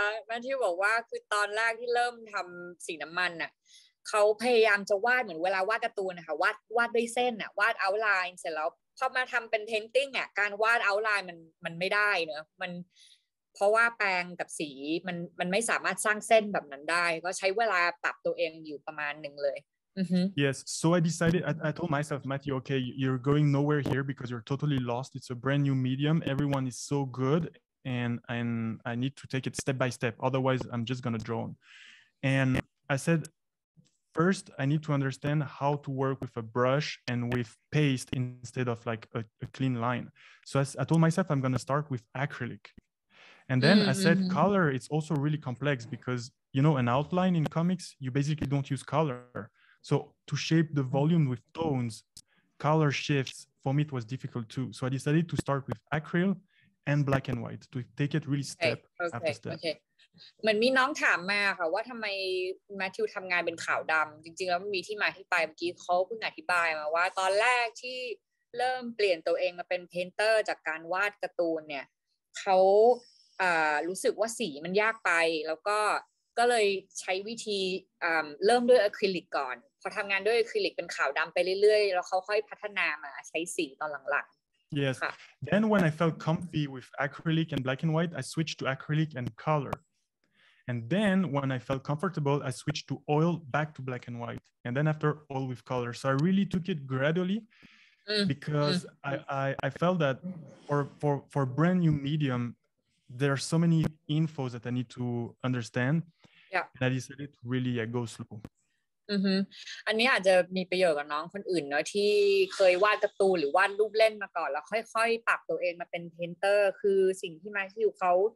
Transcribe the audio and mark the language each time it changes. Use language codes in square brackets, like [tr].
[th] Matthew บอกว่าคือตอนแรกที่เริ่มทำสีน้ำมันน่ะเขาพยายามจะวาดเหมือนเวลาวาดการ์ตูนนะคะวาดด้วยเส้นน่ะวาด outline เสร็จแล้วพอมาทำเป็น painting อ่ะการวาด outline มันไม่ได้เนอะมันเพราะว่าแปรงกับสีมันไม่สามารถสร้างเส้นแบบนั้นได้ก็ใช้เวลาปรับตัวเองอยู่ประมาณหนึ่งเลย [en] Yes so I decided I told myself Matthew okay you're going nowhere here because you're totally lost it's a brand new medium everyone is so good and I need to take it step by step otherwise I'm just gonna drone and I saidFirst, I need to understand how to work with a brush and with paste instead of like a clean line. So I told myself I'm going to start with acrylic. And then I said color, it's also really complex because, you know, an outline in comics, you basically don't use color. So to shape the volume with tones, color shifts, for me, it was difficult too. So I decided to start with acrylic and black and white to take it really step after step. Okay. [th] เหมือนมีน้องถามมาค่ะว่าทำไมแมทธิวทำงานเป็นขาวดำจริงๆแล้วมีที่มาที่ไปเมื่อกี้เขาเพิ่งอธิบายมาว่าตอนแรกที่เริ่มเปลี่ยนตัวเองมาเป็นเพนเตอร์จากการวาดการ์ตูนเนี่ยเขารู้สึกว่าสีมันยากไปแล้วก็เลยใช้วิธีเริ่มด้วยอะคริลิกก่อนพอทำงานด้วยอะคริลิกเป็นขาวดำไปเรื่อยๆแล้วเขาค่อยพัฒนามาใช้สีตอนหลังๆ [en] Yes. Then when I felt comfy with acrylic and black and white, I switched to acrylic and color. And then when I felt comfortable, I switched to oil back to black and white. And then after oil with color. So I really took it gradually because I felt that for brand new medium, there are so many infos that I need to understand. Yeah. And I decided to really go slow. [th] อือฮึอันนี้อาจจะมีประโยชน์กับน้องคนอื่นเนาะที่เคยวาดการ์ตูนหรือวาดรูปเล่นมาก่อนแล้วค่อยๆปรับตัวเองมาเป็นเพนเตอร์คือสิ่งที่มาที่อยู่เขา